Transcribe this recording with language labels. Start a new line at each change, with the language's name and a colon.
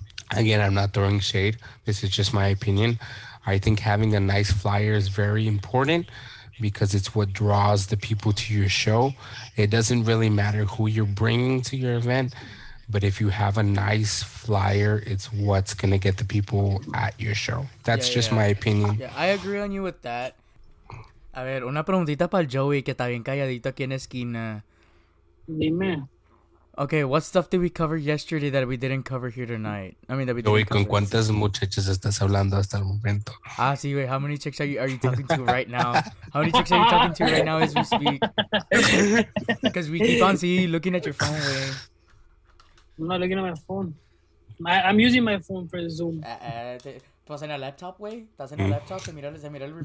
English: Again, I'm not throwing shade. This is just my opinion. I think having a nice flyer is very important because it's what draws the people to your show. It doesn't really matter who you're bringing to your event, but if you have a nice flyer, it's what's going to get the people at your show. That's just my opinion. Yeah, I agree on you with that.
Spanish: A ver, una preguntita para Joey que está bien calladito aquí en esquina. Dime.
English: Okay, what stuff did we cover yesterday that we didn't cover here tonight? I mean, that we didn't cover.
Spanish: ¿Con cuántas muchachas estás hablando hasta el momento?
English: Ah, sí, wait, how many chicks are you talking to right now? How many chicks are you talking to right now as we speak? Because we keep on looking at your phone, wait. I'm not looking at my phone. I'm using my phone for Zoom.
Spanish: ¿Estás en el laptop, wey? ¿Estás en el laptop? Se mira el reflection.